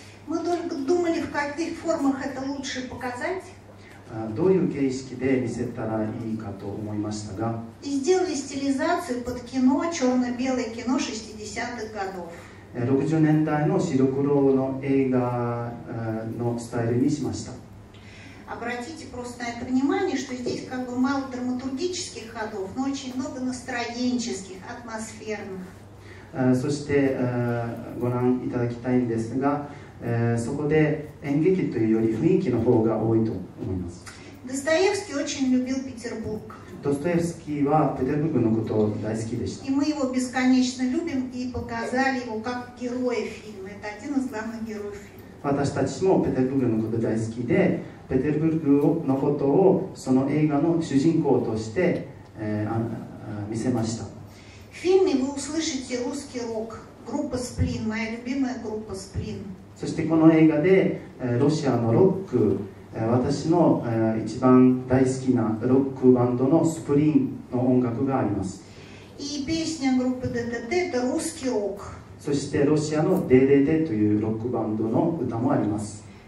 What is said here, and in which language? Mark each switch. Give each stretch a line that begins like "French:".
Russian: Мы только думали, в каких формах это лучше показать.
Japanese: どういう形式で見せたらいいかと思いましたが。
Russian: И сделали стилизацию под кино, черно-белое кино 60-х годов.
Japanese: 60年代の白黒の映画のスタイルにしました。
Russian: Обратите просто это внимание, что здесь как бы мало драматургических ходов, но очень много настроенческих, атмосферных.
Japanese: そしてご覧いただきたいんですが、そこで演劇というより雰囲気の方が多いと思います。
Russian: Достоевский очень любил Петербург.
Japanese: ドストエフスキーはペテルブルクのことを大好きでした。
Russian: И мы его бесконечно любим и показали его как героя фильма. Это один из главных героев фильма.
Japanese: 私たちもペテルブルクのことが大好きで、ペテルブルクのことをその映画の主人公として、見せました。
Russian: В фильме вы услышите русский рок группа Сплин, моя любимая группа Сплин.
Japanese: そしてこの映画でロシアのロック、私の一番大好きなロックバンドのスプリンの音楽があります。そしてロシアの DDT というロックバンドの歌もあります。